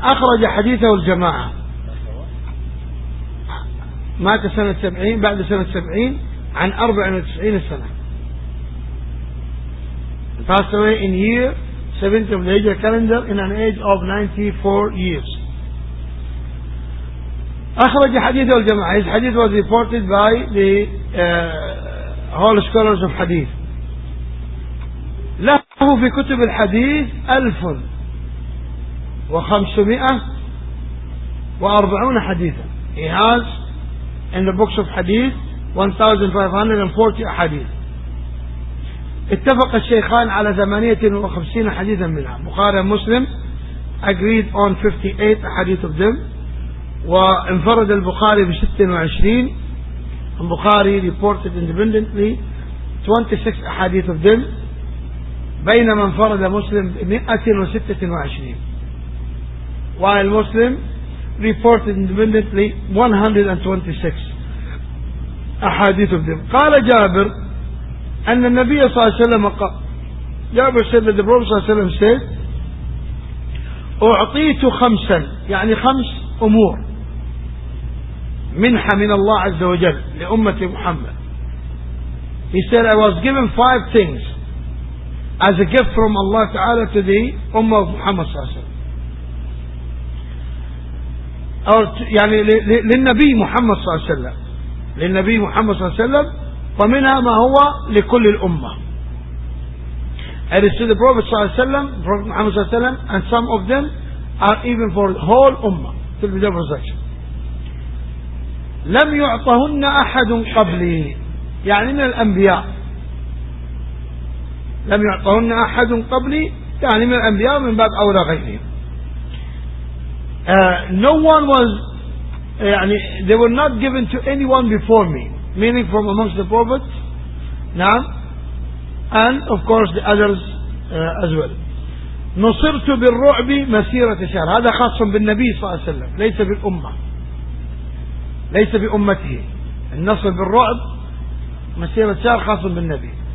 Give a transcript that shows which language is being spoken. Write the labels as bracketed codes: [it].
[ar] أخرج حديثه الجماعة مات سنة 70 بعد سنة 70 عن 94 سنة. [en] passed away in year 70 of the Hijra calendar in an age of 94 years. [ar] أخرج حديث الجماعة. [en] His hadith was reported by the whole scholars of hadith. [ar] له في كتب الحديث 1540 حديثا. [en] He has in the books of hadith 1540 حديث. [ar] اتفق الشيخان على 58 حديثا منها. [en] بخاري ومسلم agreed on 58 حديث of them. [ar] وانفرد البخاري ب 26. [en] البخاري reported independently 26 حديث of them. [ar] بينما انفرد مسلم ب 126. [en] while مسلم reported independently 126 حديث of them. [ar] قال جابر أن النبي صلى الله عليه وسلم قال جابر [en] said that the Prophet [ar] صلى الله عليه وسلم said أعطيت خمسا يعني خمس أمور منحة من الله عز وجل لأمة محمد. [en] He said I was given five things as a gift from Allah تعالى to the [ar] أمة محمد صلى الله عليه وسلم يعني للنبي محمد صلى الله عليه وسلم للنبي محمد صلى الله عليه وسلم ومنها ما هو لكل الأمة. [en] It is to the Prophet [ar] صلى الله عليه وسلم, [en] Prophet Muhammad صلى الله عليه وسلم, and some of them are even for the whole Ummah till the day of resurrection. [ar] لم يعطهن أحد قبلي يعني من الأنبياء. لم يعطهن أحد قبلي يعني من الأنبياء من بعد أولى غيرهم. [en] No one was يعني they were not given to anyone before me, meaning from amongst the prophets, نعم, and of course the others as well. [ar] نصرت بالرعب مسيرة شهر. هذا خاص بالنبي صلى الله عليه وسلم ليس بالأمة ليس بأمته. النصر بالرعب مسيرة شهر خاص بالنبي.